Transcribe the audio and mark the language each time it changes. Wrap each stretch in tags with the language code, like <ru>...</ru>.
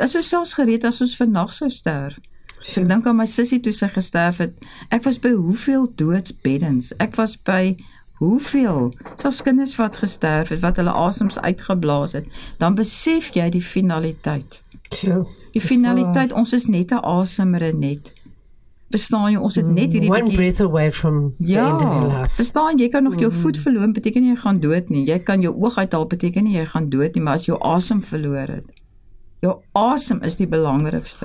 <af>Is ons selfs gereed as ons vannacht sou sterf? So ek dink aan my sissie toe sy gesterf het, ek was by hoeveel doodsbeddens, ek was by hoeveel, selfs kinders wat gesterf het, wat hulle asems uitgeblaas het, dan besef jy die finaliteit. Die finaliteit, ons is net 'n asemere net. Verstaan jy, ons het net hierdie</af> <en>one breath away from the end of your life.</en> <af>Verstaan, jy kan nog jou voet verloor, beteken jy gaan dood nie. Jy kan jou oog uithaal, beteken jy gaan dood nie, maar as jou asem verloor het, jou asem is die belangrikste.</af>